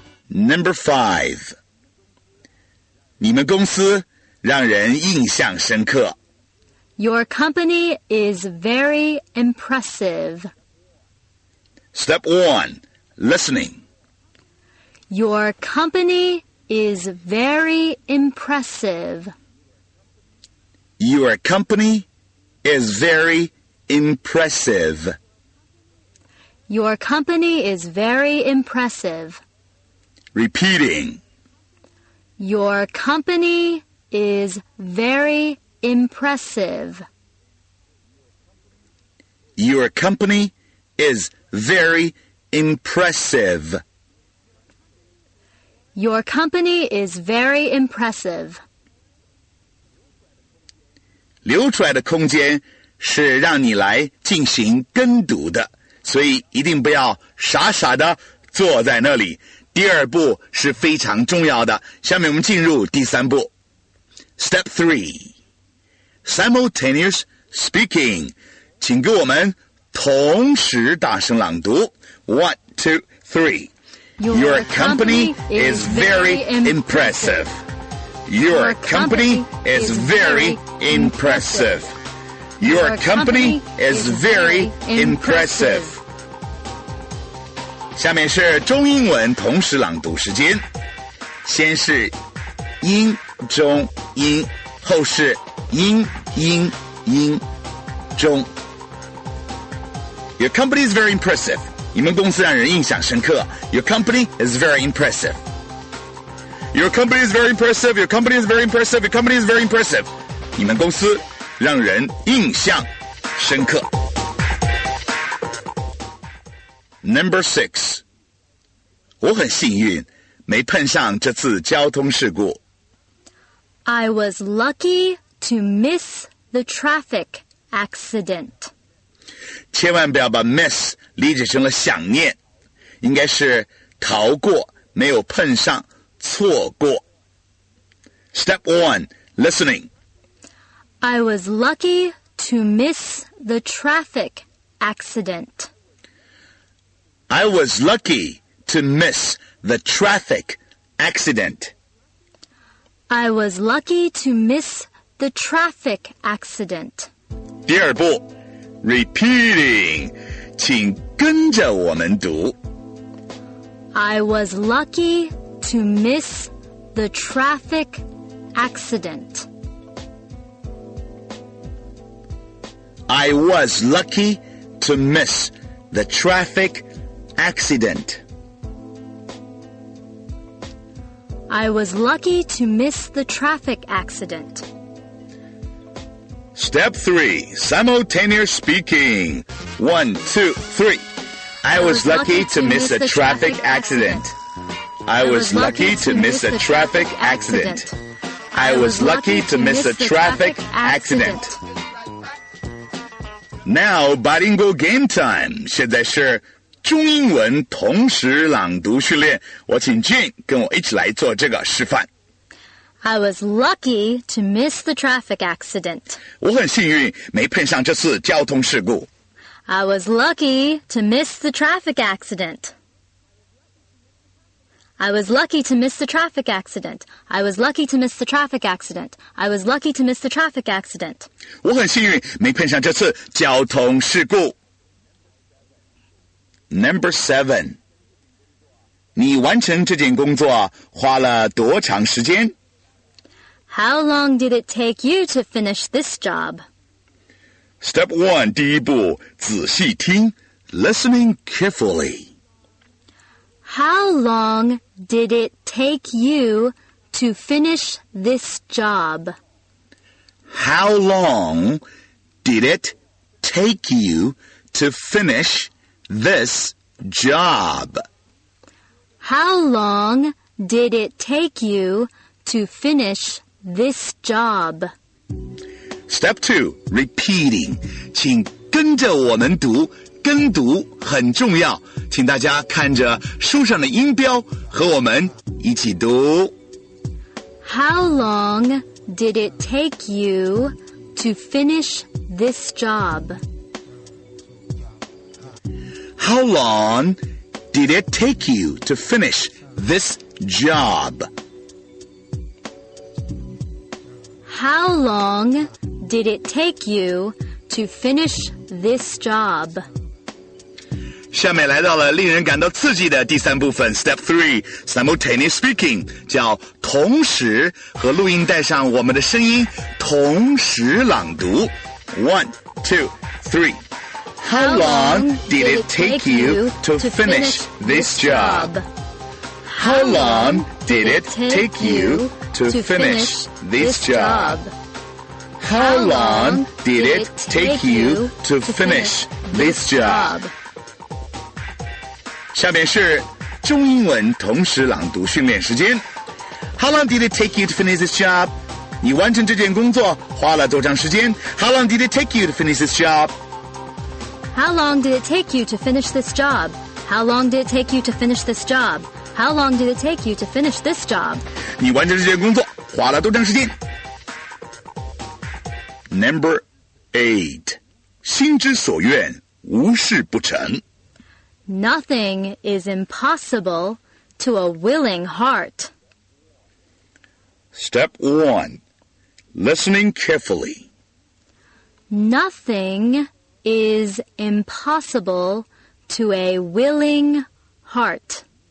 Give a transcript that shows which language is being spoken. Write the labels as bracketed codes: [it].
[en] Number five. [zh] 你们公司让人印象深刻。 [en] Your company is very impressive. Step one. Listening. Your company is very impressive. Your company is very impressive. Your company is very impressive. Repeating. Your company is very impressive. Your company is very impressive. Your company is very impressive. [zh] 留出来的空间是让你来进行跟读的，所以一定不要傻傻的坐在那里。第二步是非常重要的，下面我们进入第三步。 [en] Step 3. Simultaneous speaking. [zh] 请跟我们同时大声朗读。 [en] 1, 2, 3. Your company is very impressive. Your company is very impressive. Your company is very impressive. [zh] 下面是中英文同时朗读时间，先是英中英，后是英英英中。 [en] Your company is very impressive. [zh] 你们公司让人印象深刻。 [en] Your company is very impressive. Your company is very impressive. Your company is very impressive. Your company is very impressive. [zh] 你们公司让人印象深刻。 [en] Number 6. [zh] 我很幸运没碰上这次交通事故。 [en] I was lucky to miss the traffic accident. [zh] 千万不要把 miss 理解成了想念，应该是逃过，没有碰上，错过。 [en] Step 1. Listening. I was lucky to miss the traffic accident. I was lucky to miss the traffic accident. I was lucky to miss the traffic accident. [zh] 第二步 [en] repeating, [zh] 请跟着我们读。 [en] I was lucky to miss the traffic accident. I was lucky to miss the traffic accident. I was lucky to miss the traffic accident. Step 3. Simultaneous speaking. 1, 2, 3. I was lucky to miss a traffic accident. I was lucky to miss a traffic accident. I was lucky to miss a traffic accident. Now, bilingual game time. [zh] 现在是中英文同时朗读训练，我请 Jane 跟我一起来做这个示范。 [en] I was lucky to miss the traffic accident. [zh] 我很幸运没碰上这次交通事故。 [en] I was lucky to miss the traffic accident. I was lucky to miss the traffic accident. I was lucky to miss the traffic accident. I was lucky to miss the traffic accident. [zh] 我很幸运没碰上这次交通事故。 [en] Number 7. [zh] 你完成这件工作花了多长时间? [en] How long did it take you to finish this job? Step 1. [zh] 第一步,仔细听, [en] listening carefully. How long did it take you to finish this job? How long did it take you to finish this job? How long did it take you to finish this job? Step 2, repeating. [zh] 请跟着我们读，跟读很重要。请大家看着书上的音标和我们一起读。 [en] How long did it take you to finish this job? How long did it take you to finish this job? How long did it take you to finish this job? [zh] 下面来到了令人感到刺激的第三部分 [en] Step 3 Simultaneous Speaking [zh] 叫同时和录音带上我们的声音同时朗读 [en] 1, 2, 3 How long did it take you to finish this job? How long did it take you to finish this job? How long did it take you to finish this job? [zh] 下面是中英文同时朗读训练时间。 [en] How long did it take you to finish this job? [zh] 你完成这件工作花了多长时间 [en] ?How long did it take you to finish this job? How long did it take you to finish this job? How long did it take you to finish this job? How long did it take you to finish this job? [zh] 你完成这件工作花了多长时间 ? [en] Number 8. [zh] 心之所愿无事不成。 [en] Nothing is impossible to a willing heart. Step 1. Listening carefully. Nothing is impossible to a willing heart.